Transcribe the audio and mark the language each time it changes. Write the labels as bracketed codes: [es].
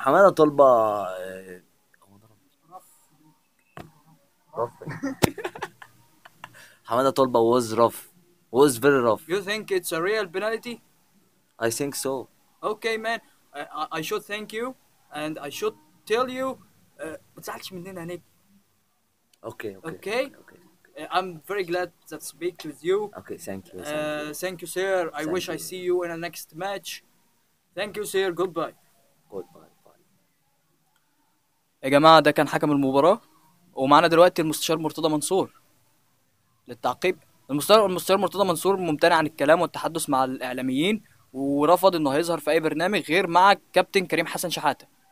[en] Hamada Tolba. Hamada Tolba was rough. Was very rough. You think it's a real penalty? I think so. Okay, man. I should thank you, and I should tell you [ar] متزعلش مننا نجم. [en] Okay. I'm very glad to speak with you. Okay, thank you. Thank you, sir. I wish I see you in the next match. Thank you, sir. Goodbye. [ar] يا جماعة ده كان حكم المباراة ومعنا دلوقتي المستشار مرتضى منصور للتعقيب. المستشار مرتضى منصور ممتنع عن الكلام والتحدث مع الإعلاميين ورفض إنه هيظهر في أي برنامج غير مع كابتن كريم حسن شحاتة.